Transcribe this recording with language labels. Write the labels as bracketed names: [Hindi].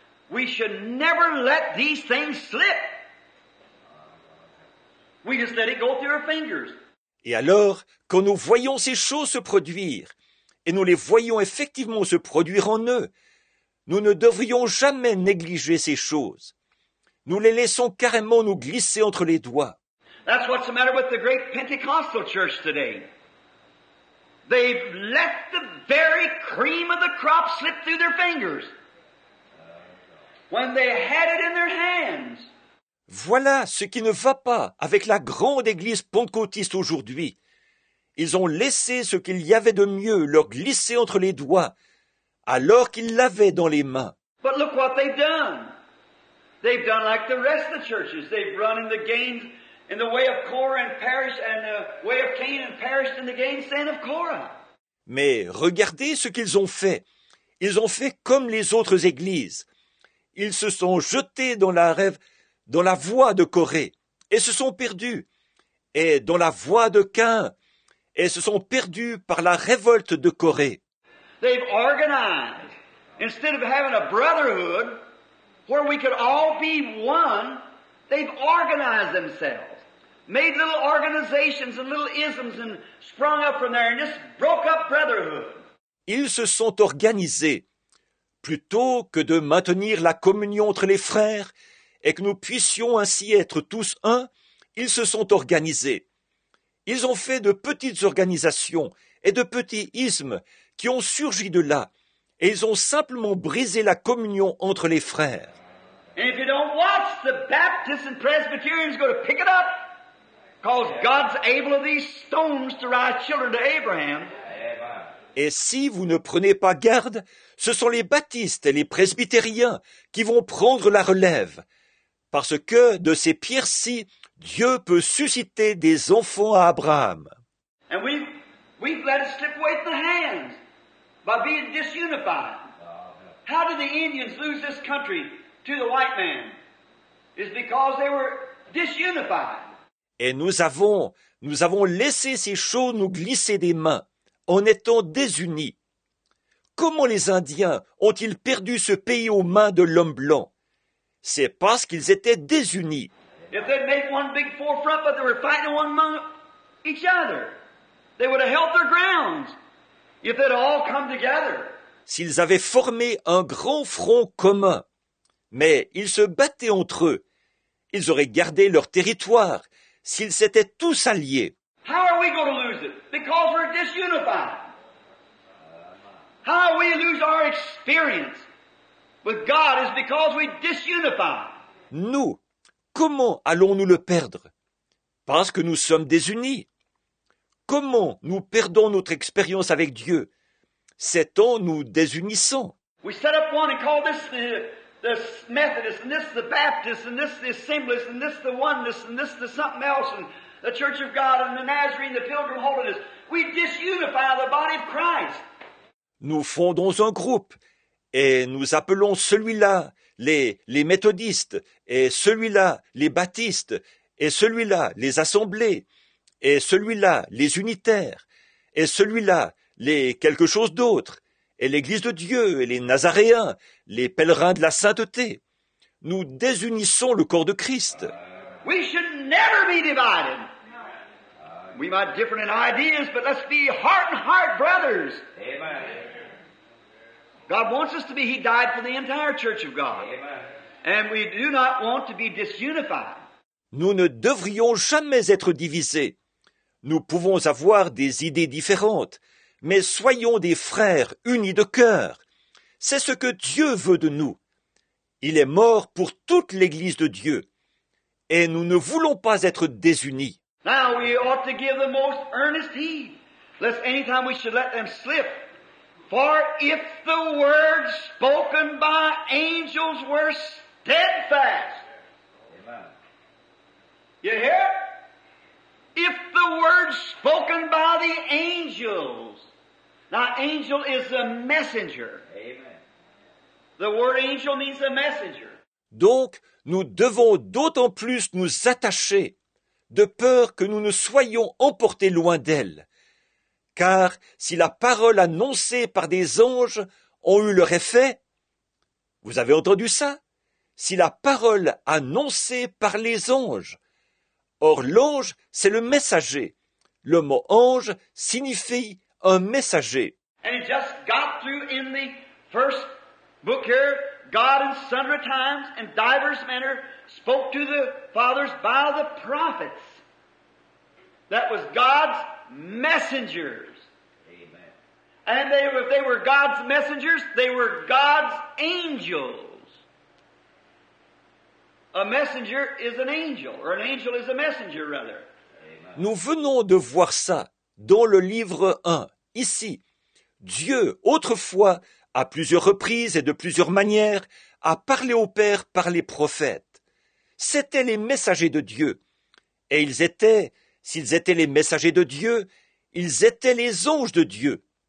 [English] We should never let these things slip. We just let it go through our fingers. [French] Et alors, quand nous voyons ces choses se produire, et nous les voyons effectivement se produire en eux, nous ne devrions jamais négliger ces choses. Nous les laissons carrément nous glisser entre les doigts. [English] That's what's the matter with the great Pentecostal church today. They've let the very cream of the crop slip through their fingers. When they had it in their hands. [French] Voilà ce qui ne va pas avec la grande église pentecôtiste aujourd'hui. Ils ont laissé ce qu'il y avait de mieux leur glisser entre les doigts, alors qu'ils l'avaient dans les mains. [English] But look what they've done. They've done like the rest of the churches. They've run in the gains in the way of Korah and perished, and the way of Cain and perished in the gains then of Korah. [French] Mais regardez ce qu'ils ont fait. Ils ont fait comme les autres églises. Ils se sont jetés dans la voie de Corée, et se sont perdus, et dans la voie de Cain, et se sont perdus par la révolte de Corée. [English] They've organized. Instead of having a brotherhood where we could all be one, they've organized themselves, made little organizations and little isms and sprung up from there and just broke up brotherhood. [French] Ils se sont organisés. Plutôt que de maintenir la communion entre les frères et que nous puissions ainsi être tous un, ils se sont organisés. Ils ont fait de petites organisations et de petits ismes qui ont surgi de là et ils ont simplement brisé la communion entre les frères. [English] And if you don't watch, the Baptists and Presbyterians are going to pick it up because God's able of these stones to raise children to Abraham. [French] Et si vous ne prenez pas garde, ce sont les baptistes et les presbytériens qui vont prendre la relève, parce que de ces pierres-ci, Dieu peut susciter des enfants à Abraham. [English] And we've let it slip away from the hands by being disunified. How did the Indians lose this country to the white man? It's because they were disunified. [French] Et nous avons laissé ces choses nous glisser des mains. En étant désunis, comment les Indiens ont-ils perdu ce pays aux mains de l'homme blanc? C'est parce qu'ils étaient désunis. [English] If they'd made one big forefront, but they were fighting one among each other, they would have held their grounds if they'd all come together. [French] S'ils avaient formé un grand front commun, mais ils se battaient entre eux, ils auraient gardé leur territoire s'ils s'étaient tous alliés. [English] How are we going to lose it? Because we're disunified. How we lose our experience with God is because we disunify. [French] Nous, comment allons-nous le perdre? Parce que nous sommes désunis. Comment nous perdons notre expérience avec Dieu? C'est en nous désunissant. [English] We set up one and call this the Methodist, and this the Baptist, and this the Assemblies, and this the Oneness, and this the something else, and the Church of God and the Nazarene, the Pilgrim Holiness. We disunify the body of Christ. [French] Nous fondons un groupe et nous appelons celui-là les méthodistes et celui-là les baptistes et celui-là les assemblées et celui-là les unitaires et celui-là les quelque chose d'autre et l'Église de Dieu et les Nazaréens, les pèlerins de la sainteté. Nous désunissons le corps de Christ. [English] We should never be divided. We might be different in ideas, but let's be heart and heart brothers. Amen. God wants us to be. He died for the entire church of God. Amen. And we do not want to be disunified. [French] Nous ne devrions jamais être divisés. Nous pouvons avoir des idées différentes, mais soyons des frères unis de cœur. C'est ce que Dieu veut de nous. Il est mort pour toute l'Église de Dieu. Et nous ne voulons pas être désunis. [English] Now we ought to give the most earnest heed, lest any time we should let them slip. For if the words spoken by angels were steadfast. Amen. You hear? If the words spoken by the angels. Now angel is a messenger. Amen. The word angel means a messenger. [French] Donc, nous devons d'autant plus nous attacher de peur que nous ne soyons emportés loin d'elle. Car si la parole annoncée par des anges a eu leur effet, vous avez entendu ça? Si la parole annoncée par les anges. Or, l'ange, c'est le messager. Le mot ange signifie un messager. [English] And it just got through in the first book here, God in sundry times and divers manner spoke to the fathers by the prophets. That was God's messengers. Amen. And they were, if they were God's messengers, they were God's angels. A messenger is an angel, or an angel is a messenger, rather. Amen. [French] Nous venons de voir ça dans le livre 1, ici. Dieu, autrefois, à plusieurs reprises et de plusieurs manières, a parlé au Père par les prophètes. C'étaient les messagers de Dieu. Et ils étaient, s'ils étaient les messagers de Dieu, ils étaient les anges de Dieu.